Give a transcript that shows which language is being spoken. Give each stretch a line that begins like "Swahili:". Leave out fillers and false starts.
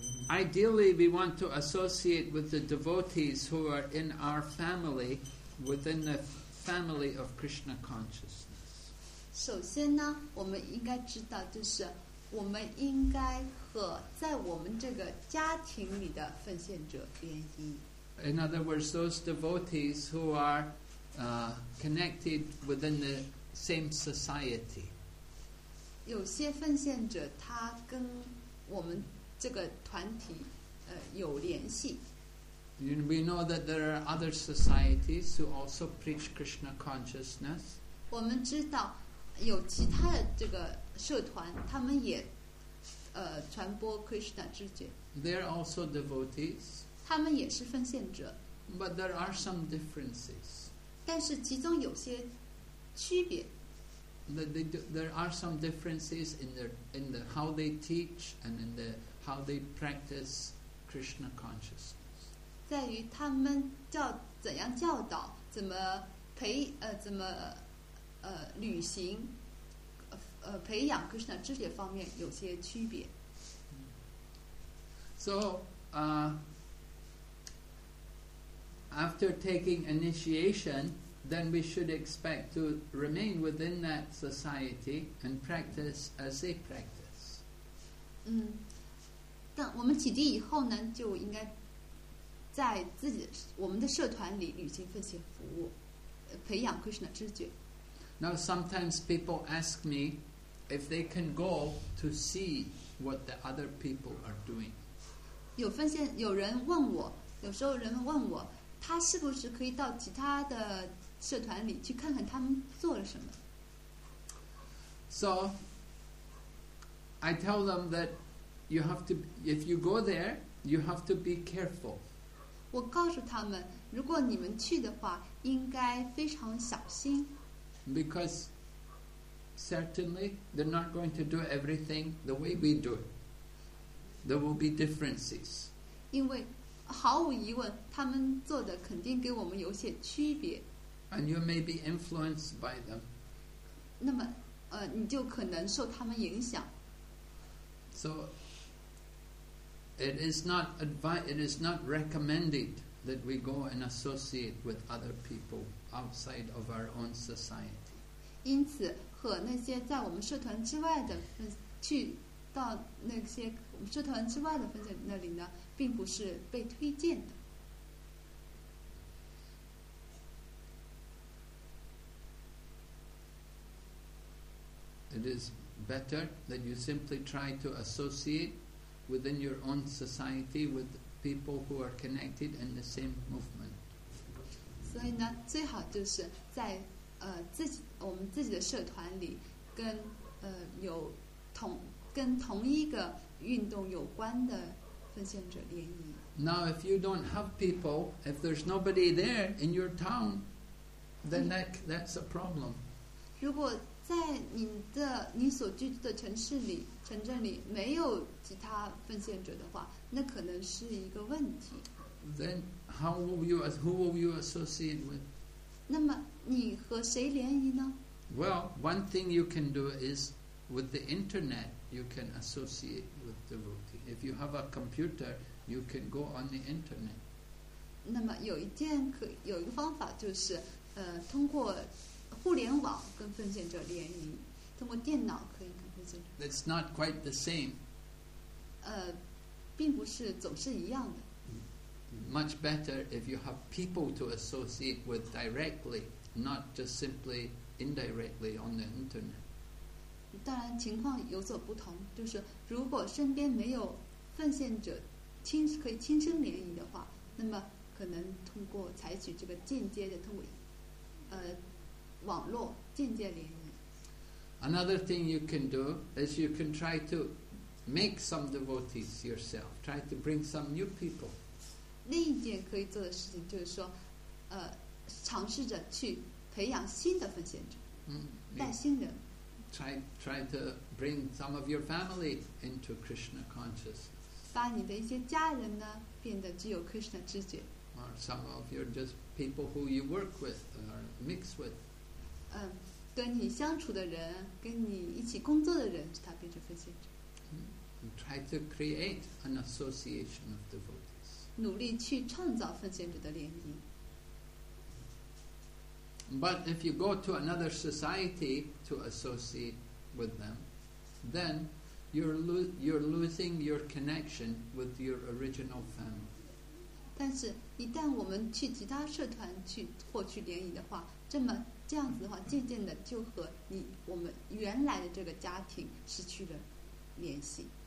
English: ideally, we want to associate with the devotees who are in our family, within the family of Krishna consciousness.
Chinese: 首先呢，我们应该知道，就是我们应该和在我们这个家庭里的奉献者联谊。
English: In other words, those devotees who are connected within the same society.
Chinese: 有些奉献者他跟我们这个团体有联系。
English: We know that there are other societies who also preach Krishna consciousness.
Chinese: 我们知道有其他的这个社团，他们也传播 Krishna 知觉。
English: They're also devotees.
Chinese: 他们也是奉献者。
English: But there are some differences.
Chinese: 但是其中有些区别。
English: There are some differences in the how they teach and in the how they practice Krishna consciousness.
Chinese: 在于他们教怎样教导，怎么培怎么履行培养 Krishna 知觉方面有些区别。
English: So, after taking initiation, then we should expect to remain within that society and practice as they practice.
Chinese: 嗯，但我们启迪以后呢，就应该。在自己我们的社团里履行奉献服务，培养 Krishna 知觉。
English: Now sometimes people ask me if they can go to see what the other people are doing.
Chinese: 有奉献有人问我，有时候人们问我，他是不是可以到其他的社团里去看看他们做了什么
English: ？So I tell them that you have to if you go there, you have to be careful.
Chinese: 我告诉他们，如果你们去的话，应该非常小心。
English: Because certainly they're not going to do everything the way we do. There will be differences.
Chinese: 因为毫无疑问，他们做的肯定跟我们有些区别。
English: And you may be influenced by them.
Chinese: 那么，你就可能受他们影响。
English: So. It is not recommended that we go and associate with other people outside of our own society.
Chinese: 因此，和那些在我们社团之外的去到那些我们社团之外的分子那里呢，并不是被推荐的。
English: It is better that you simply try to associate. Within your own society, with people who are connected in the same movement.
Chinese: 所以呢，最好就是在自己我们自己的社团里，跟有跟同一个运动有关的奉献者联谊。
English: Now, if you don't have people, if there's nobody there in your town, then that's a problem.
Chinese: 如果在你所居住的城市里。城镇里没有其他奉献者的话，那可能是一个问题。
English: Then how will you? Who will you associate with?
Chinese: 那么你和谁联谊呢
English: ？Well, one thing you can do is with the internet, you can associate with devotees. If you have a computer, you can go on the internet.
Chinese: 那么有一个方法就是，通过互联网跟奉献者联谊，通过电脑可以。
English: It's not quite the same.
Chinese: 并不是总是一样的。
English: Much better if you have people to associate with directly, not just simply indirectly on the internet.
Chinese: 当然情况有所不同，就是如果身边没有奉献者可以亲身联谊的话，那么可能通过采取这个间接的通过网络间接联谊。
English: Another thing you can do is you can try to make some devotees yourself. Try to bring some new people.
Chinese: 另一件可以做的事情就是说，尝试着去培养新的奉献者，带新人。
English: Try to bring some of your family into Krishna consciousness.
Chinese: 把你的一些家人呢，变得具有 Krishna 知觉。
English: Or some of your just people who you work with or mix with.
Chinese: 跟你相处的人，跟你一起工作的人，使他变成奉献者。
English: and try to create an association of devotees.
Chinese: 努力去创造奉献者的联谊。
English: But if you go to another society to associate with them, then you're losing your connection with your original family.
Chinese: 但是一旦我们去其他社团去获取联谊的话，这样子的话，渐渐的就和你我们原来的这个家庭失去了联系。